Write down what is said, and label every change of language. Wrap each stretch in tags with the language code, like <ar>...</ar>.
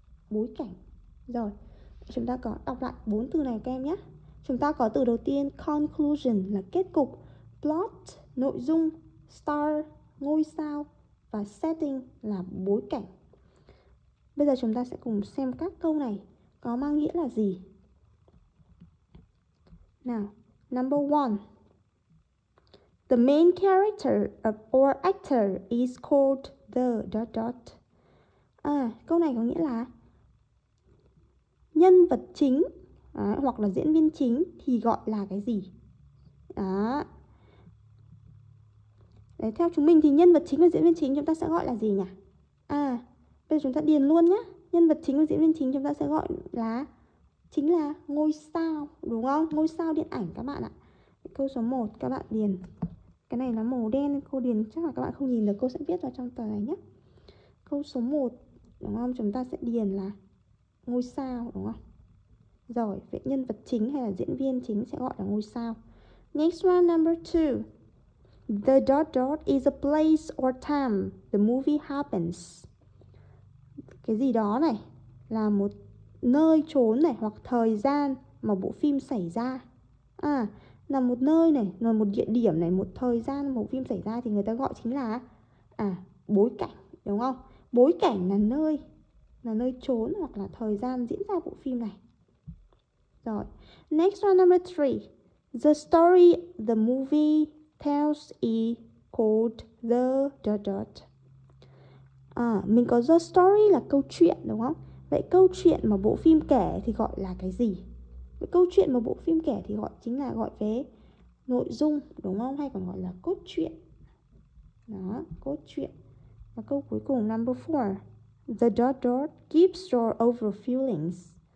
<vi>Bối cảnh. Rồi, chúng ta có đọc lại bốn từ này các em nhé. Chúng ta có từ đầu tiên conclusion là kết cục, plot nội dung, star ngôi sao và setting là bối cảnh. Bây giờ chúng ta sẽ cùng xem các câu này có mang nghĩa là gì. Nào,</vi> <en>number one, the main character of or actor is called the dot dot.</en> <vi>À, câu này có nghĩa là nhân vật chính hoặc là diễn viên chính thì gọi là cái gì? Đó. Đấy, theo chúng mình thì nhân vật chính và diễn viên chính chúng ta sẽ gọi là gì nhỉ? À, bây giờ chúng ta điền luôn nhé. Nhân vật chính và diễn viên chính chúng ta sẽ gọi là chính là ngôi sao, đúng không? Ngôi sao điện ảnh các bạn ạ. Câu số 1 các bạn điền. Cái này là màu đen, cô điền chắc là các bạn không nhìn được, cô sẽ viết vào trong tờ này nhé. Câu số 1, đúng không? Chúng ta sẽ điền là ngôi sao, đúng không? Rồi, vậy nhân vật chính hay là diễn viên chính sẽ gọi là ngôi sao.</vi> <en>Next one, number 2. The dot dot is a place or time the movie happens.</en> <vi>Cái gì đó này là một nơi chốn này hoặc thời gian mà bộ phim xảy ra. À, là một nơi này, là một địa điểm này, một thời gian mà bộ phim xảy ra thì người ta gọi chính là bối cảnh, đúng không? Bối cảnh là nơi, là nơi chốn hoặc là thời gian diễn ra bộ phim này. Rồi,</vi> <en>next one, number 3. The story the movie tells is called the dot dot.</en> <vi>À, mình có the story là câu chuyện đúng không? Vậy câu chuyện mà bộ phim kể thì gọi là cái gì? Vậy câu chuyện mà bộ phim kể thì gọi chính là gọi về nội dung đúng không? Hay còn gọi là cốt truyện. Đó, cốt truyện. Và câu cuối cùng,</vi> <en>number 4. The dot dot gives your over feelings.</en>